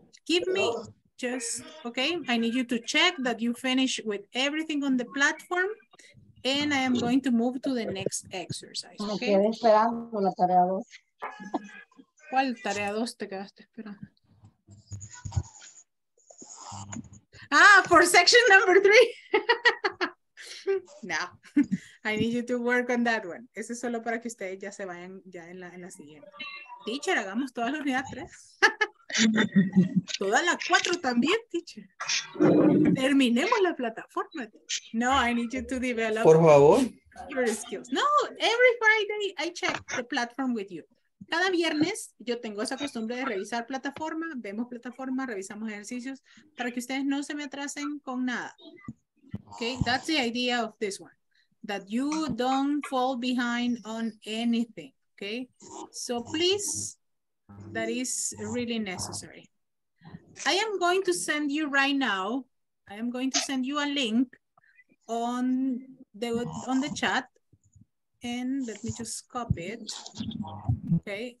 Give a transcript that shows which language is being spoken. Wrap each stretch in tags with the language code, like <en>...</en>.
<en>Give me just, okay, I need you to check that you finish with everything on the platform, and I am going to move to the next exercise.</en> <es>Me quedé esperando la tarea 2. ¿Cuál tarea 2 te quedaste esperando?</es> <en>For section number 3. No, I need you to work on that one.</en> <es>Eso es solo para que ustedes ya se vayan ya en la siguiente. Teacher, hagamos toda la unidad 3. Toda la 4 también, teacher. Terminemos la plataforma.</es> <en>No, I need you to develop.</en> <es>Por favor.</es> <en>Your skills. No, every Friday I check the platform with you.</en> <es>Cada viernes yo tengo esa costumbre de revisar plataforma, vemos plataforma, revisamos ejercicios para que ustedes no se me atrasen con nada.</es> <en>Okay, that's the idea of this one, that you don't fall behind on anything, okay? So please, that is really necessary. I am going to send you right now, I am going to send you a link on the chat, and let me just copy it, okay?</en>